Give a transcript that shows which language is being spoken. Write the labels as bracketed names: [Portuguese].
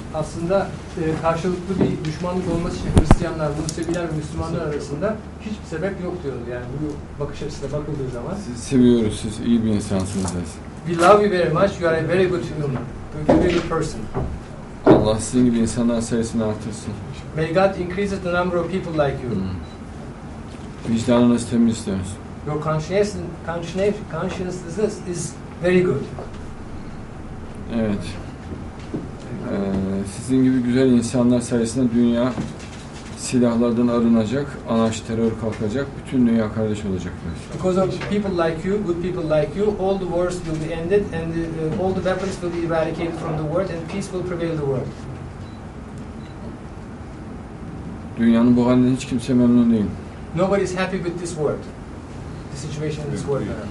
[Turkish] Aslında karşılıklı bir düşmanlık olması için Hristiyanlar, Museviler ve Müslümanlar arasında hiçbir sebep yok diyoruz. Yani bu bakış açısına bakıldığı zaman. Sizi seviyoruz, siz iyi bir insansınız. [English] We love you very much, you are a very good human. You are a good person. [Turkish] Allah sizin gibi insanların sayısını artırsın. [English] May God increase the number of people like you. [Turkish] Vicdanınız temiz diyoruz. [English] Your consciousness is very good. [Turkish] Evet. Sizin gibi güzel insanlar sayesinde dünya silahlardan arınacak, anarşi terör kalkacak, bütün dünya kardeş olacak. [English] Because of people like you, good people like you, all the wars will be ended and all the weapons will be eradicated from the world and peace will prevail the world. [Turkish] Dünyanın bu halinden hiç kimse memnun değil. [English] Nobody is happy with this world. The situation in this world.